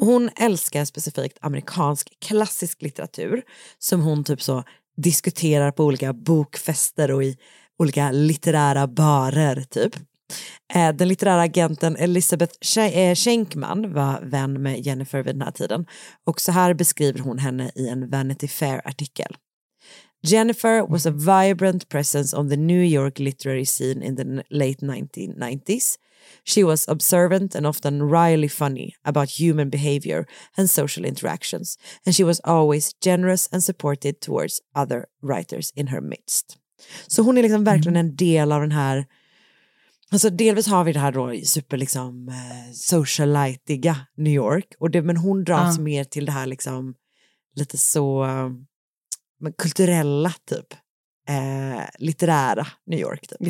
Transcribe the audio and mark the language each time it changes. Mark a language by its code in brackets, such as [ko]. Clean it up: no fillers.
[sv] Hon älskar specifikt amerikansk klassisk litteratur som hon typ så diskuterar på olika bokfester och i olika litterära barer typ. Den litterära agenten Elizabeth Schenkman var vän med Jennifer vid den här tiden och så här beskriver hon henne i en Vanity Fair-artikel. [en] Jennifer was a vibrant presence on the New York literary scene in the late 1990s. She was observant and often wryly funny about human behavior and social interactions, and she was always generous and supportive towards other writers in her midst. [sv] Så hon är liksom verkligen en del av den här. Alltså delvis har vi det här då super liksom socialitiga New York och det, men hon dras mer till det här liksom lite så kulturella typ litterära New York typ.